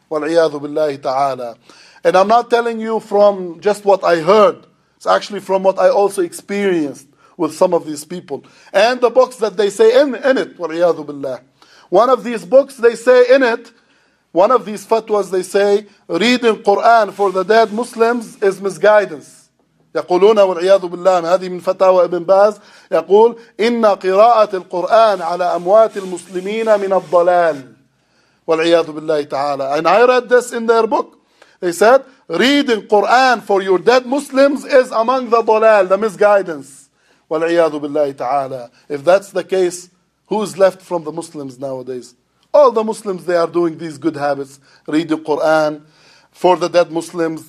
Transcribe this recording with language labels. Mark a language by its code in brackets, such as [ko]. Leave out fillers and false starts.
[en] Wal'iyadu billahi ta'ala. And I'm not telling you from just what I heard. It's actually from what I also experienced with some of these people. And the books that they say in it, wal'iyadu billah. One of these books they say in it, one of these fatwas they say, reading Quran for the dead Muslims is misguidance. [ar] يقولون والعياذ بالله هذه من فتاوى ابن باز يقول إن قراءة القرآن على أموات المسلمين من الضلال والعياذ بالله تعالى. [en] And I read this in their book. They said, reading Quran for your dead Muslims is among the ضلال, the misguidance. [ar] والعياذ بالله تعالى. [en] If that's the case, who's left from the Muslims nowadays? All the Muslims, they are doing these good habits, reading Quran for the dead Muslims.